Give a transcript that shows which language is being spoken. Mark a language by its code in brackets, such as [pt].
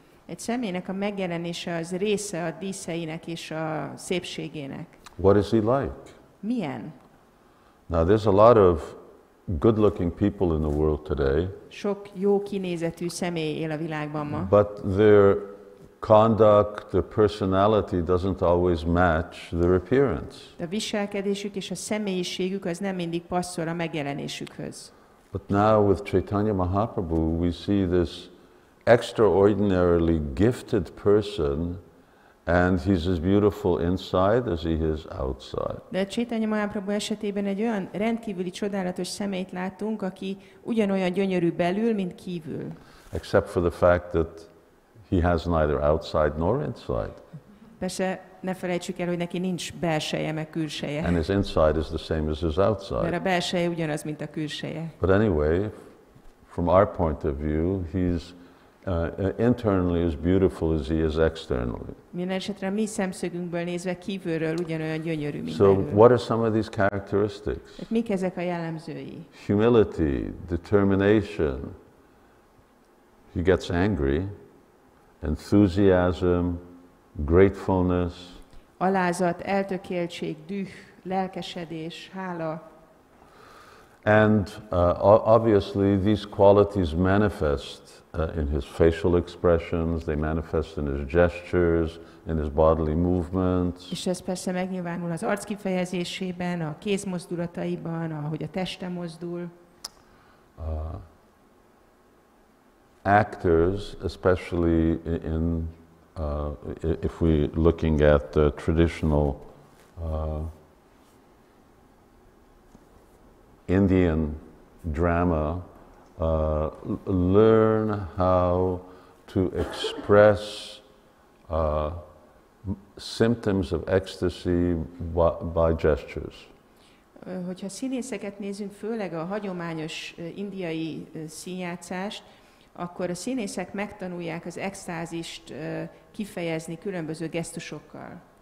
[hu] Egy személynek a megjelenése az része a díszeinek és a szépségének. [en] What is he like? [hu] Milyen? [en] Now there's a lot of good-looking people in the world today. [hu] Sok jó kinézetű személy él a világban ma. [en] But their conduct, their personality doesn't always match their appearance. [hu] A viselkedésük és a személyiségük az nem mindig passzol a megjelenésükhöz. [en] But now with Chaitanya Mahaprabhu we see this extraordinarily gifted person, and he's as beautiful inside as he is outside. [hu] De Chaitanya Mahaprabhu esetében egy olyan rendkívüli csodálatos szemét látunk, aki ugyanolyan gyönyörű belül, mint kívül. [en] Except for the fact that he has neither outside nor inside. [hu] Persze, ne felejtsük el, hogy neki nincs belseje meg külseje. [en] And his inside is the same as his outside. [hu] De a belseje ugyanaz, mint a külseje. [en] But anyway, from our point of view, he's internally as beautiful as he is externally. [hu] Mindenesetre mi szemszögünkből nézve kívülről ugyanolyan gyönyörű, mint belül. [en] So what are some of these characteristics? [hu] Mik ezek a jellemzői? [en] Humility, determination, he gets angry, enthusiasm, gratefulness. [hu] Alázat, eltökéltség, düh, lelkesedés, hála. [en] And obviously these qualities manifest in his facial expressions, they manifest in his gestures, in his bodily movements. [hu] És ez persze megnyilvánul az arc kifejezésében, a kézmozdulataiban, ahogy a teste mozdul. [en] Actors, especially in if we're looking at the traditional Indian drama, learn how to express symptoms of ecstasy by gestures. [hu] Hogyha színészeket nézünk, főleg a hagyományos indiai színjátszást, akkor a színészek megtanulják az extázist kifejezni különböző gesztusokkal.